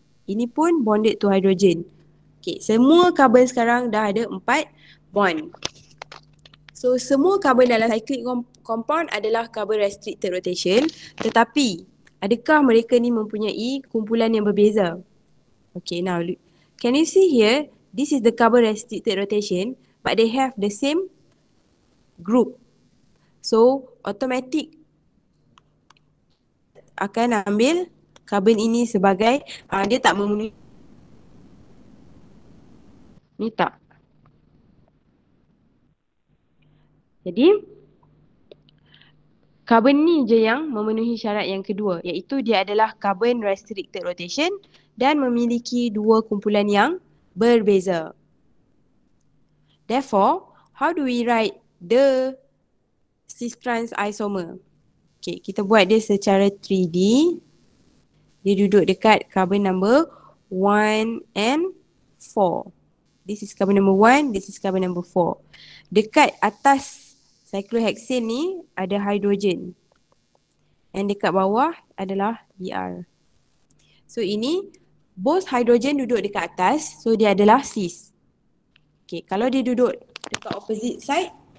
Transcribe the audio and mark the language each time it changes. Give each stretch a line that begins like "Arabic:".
Malay: Ini pun
English: bonded to hydrogen.
Malay: Okay, semua carbon sekarang dah ada empat bond. So, semua carbon dalam cyclic compound adalah carbon restricted rotation. Tetapi, adakah mereka ni mempunyai kumpulan yang berbeza?
English: Okay, now, can you see here? This is the carbon restricted rotation but they have the same group.
Malay: So, automatic akan ambil carbon ini sebagai, dia tak memenuhi. Ni tak. Jadi, carbon ni je yang memenuhi syarat yang kedua, iaitu dia adalah carbon restricted rotation dan memiliki dua kumpulan yang berbeza.
English: Therefore, how do we write the cis trans isomer?
Malay: Okay, kita buat dia secara 3D. Dia duduk dekat carbon number 1 and 4.
English: This is carbon number 1, this is carbon number 4.
Malay: Dekat atas cyclohexane ni ada hydrogen. And dekat bawah adalah Br. So ini both hydrogen duduk dekat atas, so dia adalah cis. Okay, kalau dia duduk dekat opposite side,